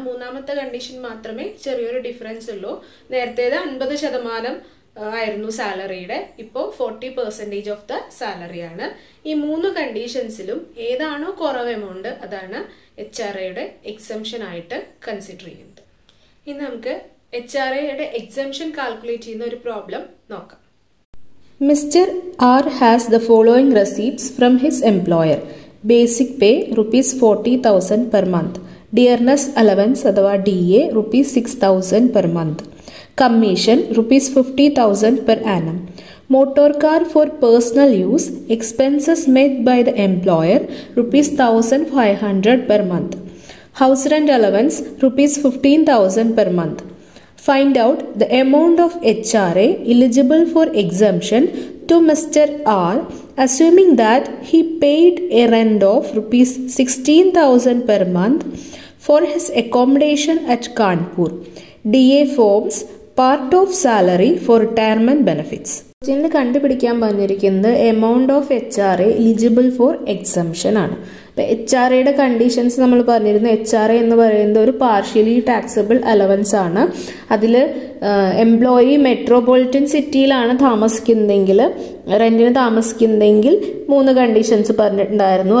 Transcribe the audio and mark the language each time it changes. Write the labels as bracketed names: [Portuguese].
[Malayalam] മൂന്നാമത്തെ കണ്ടീഷൻ മാത്രമേ ചെറിയൊരു ഡിഫറൻസ് ഉള്ളൂ. നേരത്തേത് 50% ആയിരുന്നു സാലറിയുടെ, ഇപ്പോൾ 40% ഓഫ് ദ സാലറിയാണ്. ഈ മൂന്ന് കണ്ടീഷൻസിലും ഏതാണോ കുറവ് എമൗണ്ട് അതാണ് എച്ച് ആർ എയുടെ എക്സംഷൻ ആയിട്ട് കൺസിഡർ ചെയ്യുന്നത്. ഇനി നമുക്ക് എച്ച് ആർ എയുടെ എക്സംഷൻ കാൽക്കുലേറ്റ് ചെയ്യുന്ന ഒരു പ്രോബ്ലം നോക്കാം. [English] Mr. R has the following receipts from his employer. Basic pay ₹40,000 per month. Dearness allowance adava DA ₹6,000 per month. Commission ₹50,000 per annum. Motor car for personal use, expenses made by the employer ₹1,500 per month. House rent allowance ₹15,000 per month. Find out the amount of HRA eligible for exemption to Mr. R, assuming that he paid a rent of ₹16,000 per month for his accommodation at Kanpur. DA forms part of salary for retirement benefits. [Malayalam] ഇതിനെ കണ്ടുപിടിക്കാൻ പറഞ്ഞിരിക്കുന്നത് [English] amount of H R A eligible for exemption [Malayalam] ആണ്. അപ്പോൾ H R എയുടെ conditions നമ്മൾ പറഞ്ഞിരുന്ന H R A എന്ന് പറയുന്നത് ഒരു പാർഷ്യലി ടാക്സബിൾ അലവൻസ് ആണ്. അതിൽ എംപ്ലോയി മെട്രോപോളിറ്റൻ സിറ്റിയിലാണ് താമസിക്കുന്നതെങ്കിൽ, റെന്റിന് താമസിക്കുന്നതെങ്കിൽ മൂന്ന് കണ്ടീഷൻസ് പറഞ്ഞിട്ടുണ്ടായിരുന്നു.